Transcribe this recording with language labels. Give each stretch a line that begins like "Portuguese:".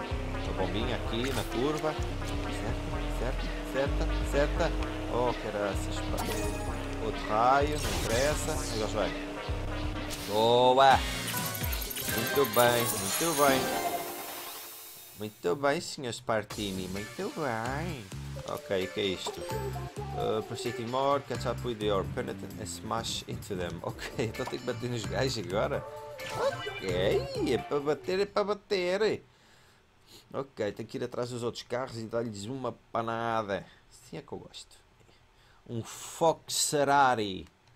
Portuguese: A bombinha aqui na curva. Certo, certo, certo, certo. Oh, que era essas. Outro raio, não interessa. E já vai. Boa! Muito bem, muito bem. Muito bem, senhor Spartini, muito bem. Ok, o que é isto?
English: Proceed more, catch up with your penitent and smash into them.
Portuguese: Ok, então tenho que bater nos gajos agora. Ok, é para bater, é para bater. Ok, tenho que ir atrás dos outros carros e dar-lhes uma panada. Sim, é que eu gosto. Um Fox Ferrari.